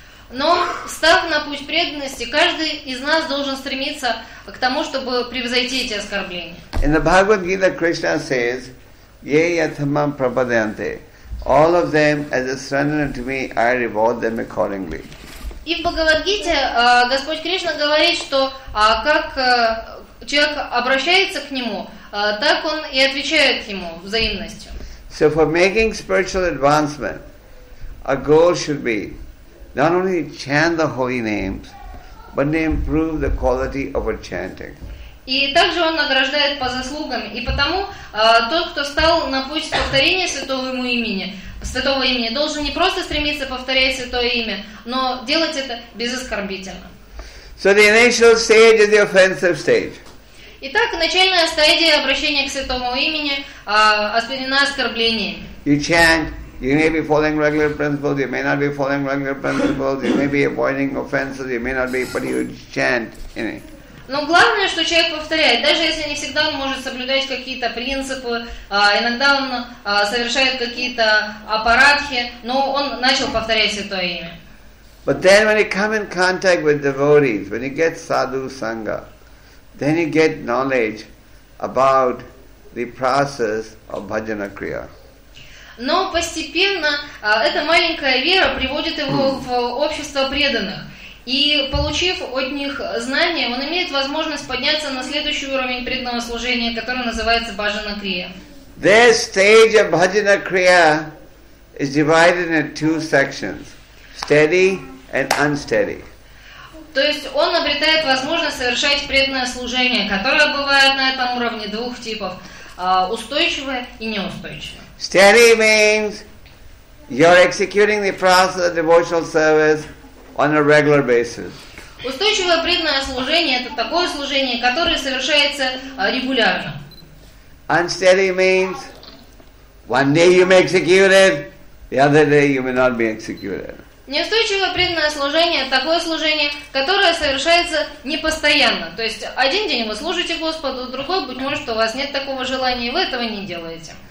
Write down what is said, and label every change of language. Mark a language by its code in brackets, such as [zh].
[ru] Но став на путь преданности, каждый из нас должен стремиться к тому, чтобы превзойти эти оскорбления. [en] In the Bhagavad Gita, Krishna says, [sa] "Ye yathamam prabhadante." [en] All of them, as they surrender to me, I reward them accordingly. [ru] И в Бхагавад-гите Господь Кришна говорит, что как человек обращается к нему, так он и отвечает ему взаимностью. [en] So for making spiritual advancement, a goal should be not only chant the holy names, but to improve the quality of our chanting. [ru] И также он награждает по заслугам. И потому тот, кто стал на путь повторения святого имени, должен не просто стремиться повторять святое имя, но делать это безоскорбительно. [en] So the initial stage is the offensive stage. [ru] Итак, начальная стадия обращения к святому имени осквернена оскорблениями. [en] You chant, you may be following regular principles, you may not be following regular principles, you may be avoiding offenses, you may not be, but you chant in it. [ru] Но главное, что человек повторяет, даже если не всегда он может соблюдать какие-то принципы, иногда он совершает какие-то апарадхи, но он начал повторять святое имя. [en] But then when you come in contact with devotees, when you get sadhu sangha, then you get knowledge about the process of bhajana kriya. [ru] Но постепенно эта маленькая вера приводит его в общество преданных. И получив от них знания, он имеет возможность подняться на следующий уровень преданного служения, который называется Bhajana Kriya. [en] This stage of Bhajana Kriya is divided into two sections, steady and unsteady. [ru] То есть он обретает возможность совершать преданное служение, которое бывает на этом уровне двух типов, устойчивое и неустойчивое. [en] Steady means you're executing the process of devotional service on a regular basis. [ru] Устойчивое преданное служение это такое служение, которое совершается регулярно. [en] Unsteady means one day you may execute it, the other day you may not be executed. [ru] Неустойчивое преданное служение это такое служение, которое совершается непостоянно. То есть один день вы служите Господу, другой, быть может, у вас нет такого желания, и вы этого не делаете.